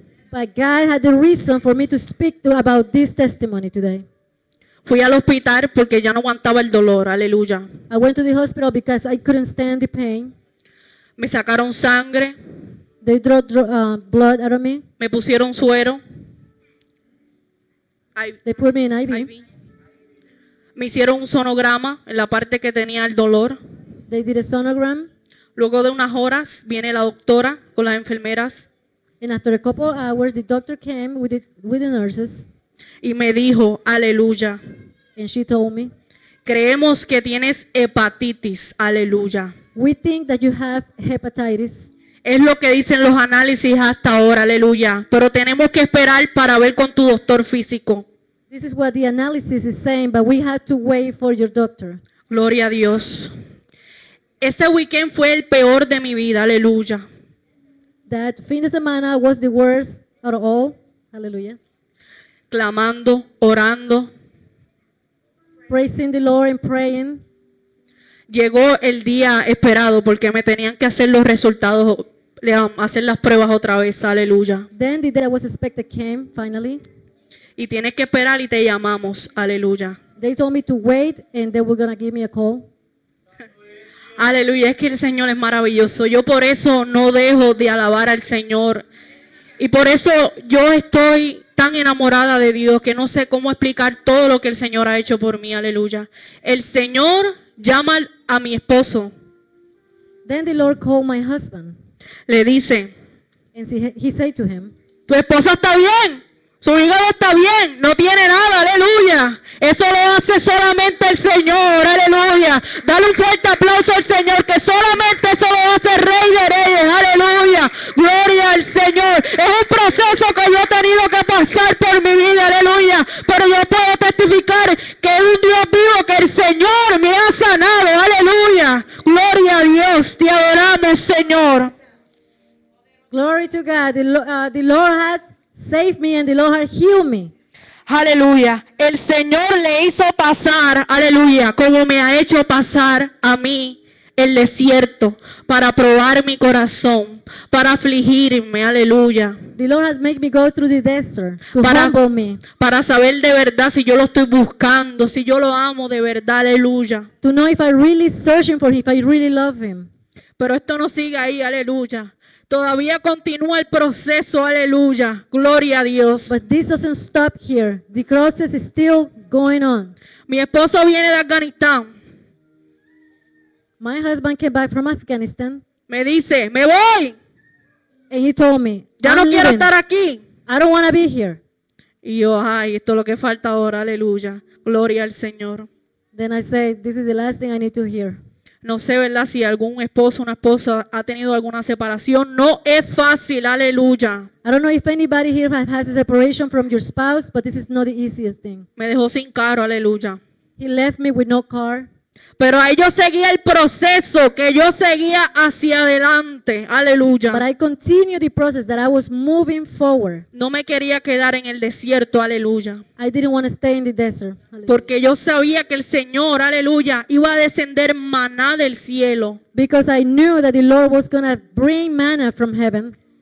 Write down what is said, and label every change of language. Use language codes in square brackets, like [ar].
[en] But God had the reason for me to speak about this testimony today. [es] Fui al hospital porque ya no aguantaba el dolor, aleluya. [en] I went to the hospital because I couldn't stand the pain. [es] Me sacaron sangre. [en] They drew blood out of me. [es] Me pusieron suero. [en] They put me in IV. [es] Me hicieron un sonograma en la parte que tenía el dolor. [en] They did a sonogram. [es] Luego de unas horas viene la doctora con las enfermeras. [en] And after a couple of hours, the doctor came with the nurses. [es] Y me dijo, aleluya. [en] And she told me, [es] creemos que tienes hepatitis, aleluya. [en] We think that you have hepatitis. [es] Es lo que dicen los análisis hasta ahora, aleluya. Pero tenemos que esperar para ver con tu doctor físico. [en] This is what the analysis is saying, but we have to wait for your doctor. [es] Gloria a Dios. Ese weekend fue el peor de mi vida, aleluya. [en] That [es] fin de semana [en] was the worst out of all, aleluya. [es] Clamando, orando. [en] Praising the Lord and praying. [es] Llegó el día esperado porque me tenían que hacer los resultados, hacer las pruebas otra vez, aleluya. [en] Then the day I was expected came, finally. [es] Y tienes que esperar y te llamamos, aleluya. [en] They told me to wait and they were going to give me a call. [es] Aleluya, es que el Señor es maravilloso. Yo por eso no dejo de alabar al Señor. Y por eso yo estoy tan enamorada de Dios que no sé cómo explicar todo lo que el Señor ha hecho por mí, aleluya. El Señor llama a mi esposo. [en] Then the Lord called my husband. [es] Le dice, [en] and he said to him, [es] tu esposa está bien, su hígado está bien, no tiene nada, aleluya. Eso lo hace solamente el Señor, aleluya. Dale un fuerte aplauso al Señor, que solamente eso lo hace Rey de Reyes, aleluya. Gloria al Señor. Es un proceso que yo he tenido que pasar por mi vida, aleluya. Pero yo puedo testificar que un Dios vivo, que el Señor me ha sanado, aleluya. Gloria a Dios, te adoramos, Señor. [en] Glory to God. The Lord has saved me and the Lord has healed me. [es] Aleluya. El Señor le hizo pasar, aleluya, como me ha hecho pasar a mí el desierto para probar mi corazón, para afligirme, aleluya. [en] The Lord has made me go through the desert to humble me. [es] Para saber de verdad si yo lo estoy buscando, si yo lo amo de verdad, aleluya. [en] To know if I really searching for him, if I really love him. [es] Pero esto no sigue ahí, aleluya. Todavía continúa el proceso, aleluya. Gloria a Dios. [en] But this doesn't stop here. The process is still going on. [es] Mi esposo viene de Afganistán. [en] My husband came back from Afghanistan. [es] Me dice, me voy. [en] And he told me, [es] ya no quiero estar aquí. [en] I don't want to be here. [es] Y yo, ay, esto es lo que falta ahora, aleluya. Gloria al Señor. [en] Then I said, this is the last thing I need to hear. [es] No sé, ¿verdad? Si algún esposo o una esposa ha tenido alguna separación. No es fácil, aleluya. [en] I don't know if anybody here has a separation from your spouse, but this is not the easiest thing. [es] Me dejó sin carro, aleluya. [en] He left me with no car. [es] Pero ahí yo seguía el proceso, que yo seguía hacia adelante, aleluya. [en] But I continued the process that I was moving forward. [es] No me quería quedar en el desierto, aleluya. [en] I didn't want to stay in the desert. [es] Aleluya. Porque yo sabía que el Señor, aleluya, iba a descender maná del cielo. [en] Because I knew that the Lord was going to bring manna from heaven.